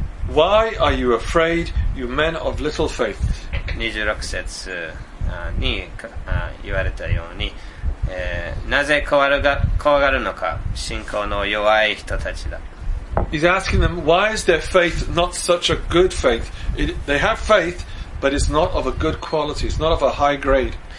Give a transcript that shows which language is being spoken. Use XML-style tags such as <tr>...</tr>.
<en>Why are you afraid, you men of little faith?</en> <ja>26節に言われたように、なぜ怖がるのか、信仰の弱い人たちだ。</ja> <en>He's asking them, why is their faith not such a good faith? They have faith, but it's not of a good quality, it's not of a high grade.</en>